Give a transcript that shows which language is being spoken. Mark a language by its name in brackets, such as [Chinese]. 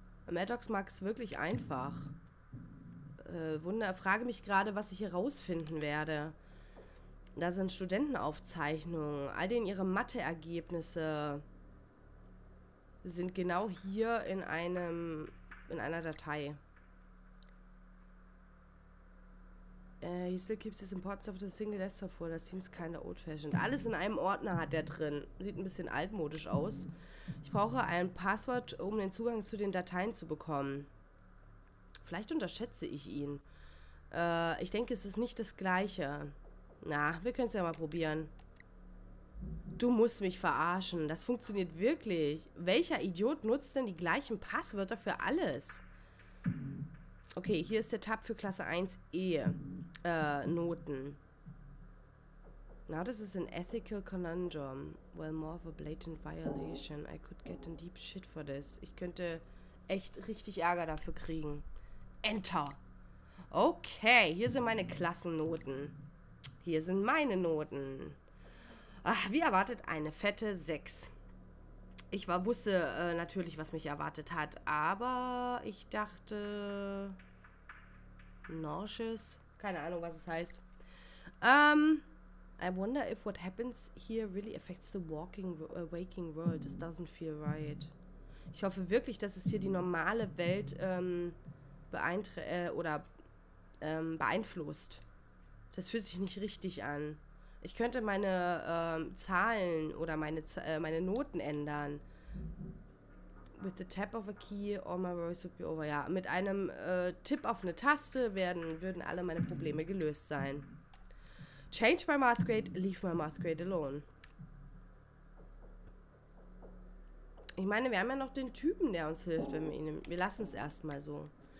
[German] Maddox mag es wirklich einfach. Frage mich gerade, was ich hier rausfinden werde. Da sind Studentenaufzeichnungen. All denen ihre Matheergebnisse sind genau hier in einer Datei. [English] He still keeps his importance of the single desktop for. That seems kind of old-fashioned. [German] Alles in einem Ordner hat er drin. Sieht ein bisschen altmodisch aus. Ich brauche ein Passwort, um den Zugang zu den Dateien zu bekommen. Vielleicht unterschätze ich ihn. Ich denke, es ist nicht das Gleiche. Na, wir können es ja mal probieren. Du musst mich verarschen. Das funktioniert wirklich. Welcher Idiot nutzt denn die gleichen Passwörter für alles? Okay, hier ist der Tab für Klasse 1e. [English] Noten. Now this is an ethical conundrum. Well, more of a blatant violation. I could get in deep shit for this. [German] Ich könnte echt richtig Ärger dafür kriegen. Enter. Okay, hier sind meine Klassennoten. Hier sind meine Noten. Ach, wie erwartet, eine fette 6. Ich wusste natürlich, was mich erwartet hat, aber ich dachte. Nauseous. Keine Ahnung, was es heißt. [English] I wonder if what happens here really affects the walking, waking world. This doesn't feel right. [German] Ich hoffe wirklich, dass es hier die normale Welt beeinflusst. Das fühlt sich nicht richtig an. Ich könnte meine Zahlen oder meine Noten ändern. [English] With the tap of a key, all my worries would be over. [German] Ja, mit einem Tipp auf eine Taste würden alle meine Probleme gelöst sein. [English] Change my math grade, leave my math grade alone. [German] Ich meine, wir haben ja noch den Typen, der uns hilft, wenn wir ihn. Wir lassen es erstmal so.